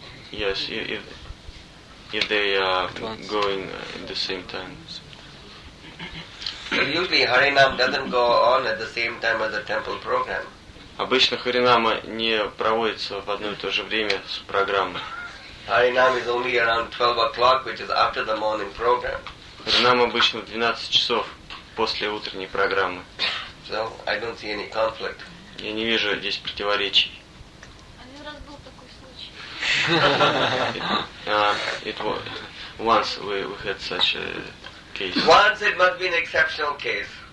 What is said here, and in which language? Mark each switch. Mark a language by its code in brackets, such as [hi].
[en] Yes, if they are going at the same time. Well, usually Harinam doesn't go on at the same time as the temple program. [ru] Обычно Харинама не проводится в одно и то же время с программой. [en] Harinam is only around 12 o'clock, which is after the morning program. [ru] Харинам обычно 12 часов. После утренней программы. [en] So, I don't see any conflict. [ru] Я не вижу здесь противоречий. Один раз был такой случай. [en] Once we had such a case. Once it must be an exceptional case.